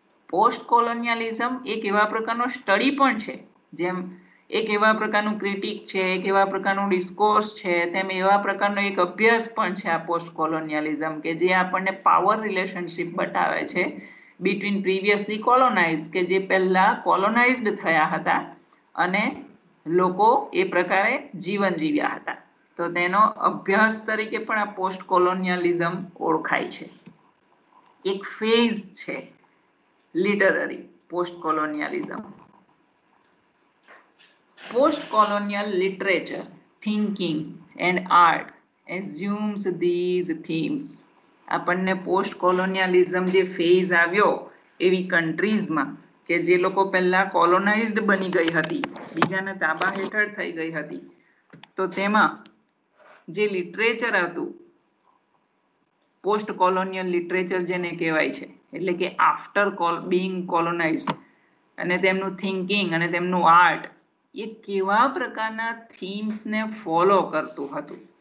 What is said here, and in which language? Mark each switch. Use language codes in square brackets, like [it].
[gu] Post કોલોનિયાલિઝમ એક એવા પ્રકારનો સ્ટડી પણ છે, જેમ એક એવા પ્રકારનું ક્રિટિક છે, એક એવા પ્રકારનું ડિસ્કોર્સ છે, તેમ એવા પ્રકારનો એક અભ્યાસ પણ છે આ પોસ્ટ કોલોનિયાલિઝમ, કે જે આપણને પાવર રિલેશનશીપ બતાવે છે [en] between previously colonize, [gu] કે જે પહેલાં કોલોનાઇઝડ થયા હતા અને લોકો એ પ્રકારે જીવન જીવ્યા હતા. તો તેનો અભ્યાસ તરીકે પણ આ પોસ્ટ કોલોનિયાલિઝમ ઓળખાય છે. એક ફેઝ છે literary, [en] post-colonialism. Post-colonial literature, thinking and art assumes these themes. [gu] આપણને પોસ્ટ કોલોનિયાલિઝમ જે ફેઝ આવ્યો એવી કન્ટ્રીઝમાં કે જે લોકો પહેલાં કોલોનાઇઝ્ડ બની ગઈ હતી, બીજાના તાબા હેઠળ થઈ ગઈ હતી, તો તેમાં જે લિટરેચર હતું, પોસ્ટ કોલોનિયલ લિટરેચર જેને કહેવાય છે, એટલે કે [en] after being colonized, [gu] અને તેમનું થિંકિંગ અને તેમનું આર્ટ એ કેવા પ્રકારના થીમ્સને ફોલો કરતું હતું.